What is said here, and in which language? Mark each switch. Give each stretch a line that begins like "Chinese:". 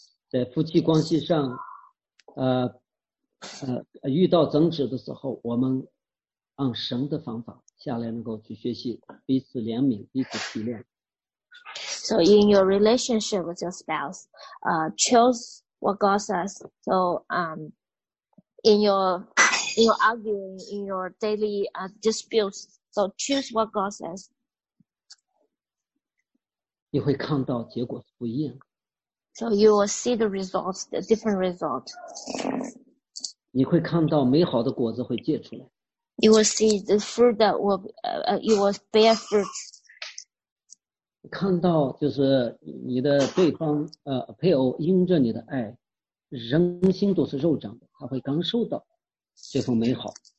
Chinese: 在夫妻关系上，遇到争执的时候，我们按神的方法下来，能够去学习彼此怜悯，彼此体谅。
English: So in your relationship with your spouse, choose what God says. So in your arguing, in your daily disputes, so choose what God says.
Chinese: 你会看到结果是不一样。
English: So you will see the results, the different result.
Chinese: 你会看到美好的果子会结出来。
English: You will see the fruit that will, you will bear fruit.
Chinese: 看到就是你的对方，配偶因着你的爱，人心都是肉长的，他会感受到这份美好。